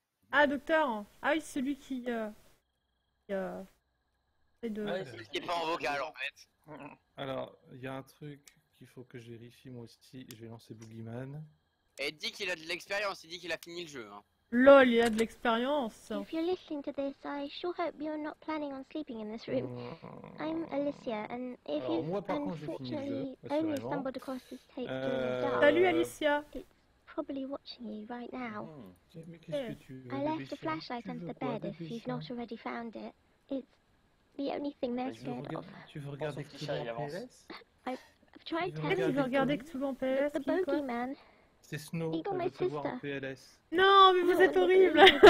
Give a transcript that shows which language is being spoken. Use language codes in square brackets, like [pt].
[fr] Ah, docteur. Ah oui, celui qui... C'est de... ouais, celui qui est pas en vocal en fait. Alors, il y a un truc qu'il faut que je vérifie moi aussi, je vais lancer boogeyman. Et il dit qu'il a de l'expérience, il dit qu'il a fini le jeu. Hein. LOL, il a de l'expérience. [en] If you're listening to this, I sure hope you're not planning on sleeping in this room. I'm Alicia, and if you unfortunately only stumbled across this tape during the dark, [fr] salut Alicia. [en] It's probably watching you right now. [fr] Mais [en] I left the flashlight under the bed if you've not already found it. It's the only thing they're scared of. [fr] Tu veux regarder que tout en PLS? [en] I've tried telling [fr] you. Tu veux regarder que tout en PLS? [en] The bogeyman. [fr] C'est Snow, on veut te voir en PLS. Non, mais vous êtes horrible.